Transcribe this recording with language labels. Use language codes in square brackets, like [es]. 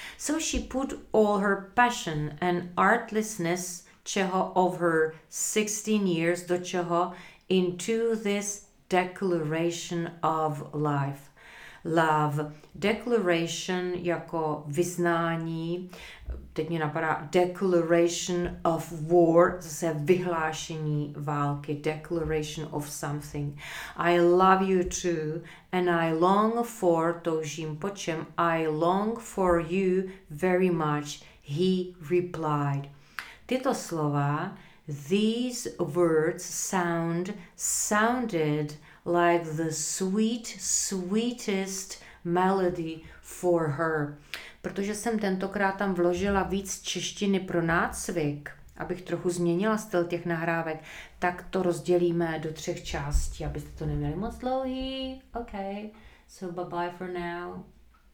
[en] So she put all her passion and artlessness, [cs] čeho [en] of her 16 years, [cs] do čeho, [en] into this declaration of life. Love. Declaration [cs] jako vyznání. Teď mě napadá [en] declaration of war, [cs] zase vyhlášení války, [en] declaration of something. I love you too and I long for, [cs] toužím po čem, [en] I long for you very much, he replied. [cs] Tyto slova, [en] these words sounded like the sweetest melody for her. [cs] Protože jsem tentokrát tam vložila víc češtiny pro nácvik, abych trochu změnila styl těch nahrávek, tak to rozdělíme do třech částí, abyste to neměli moc dlouhý. [en] Okay, so bye-bye for now.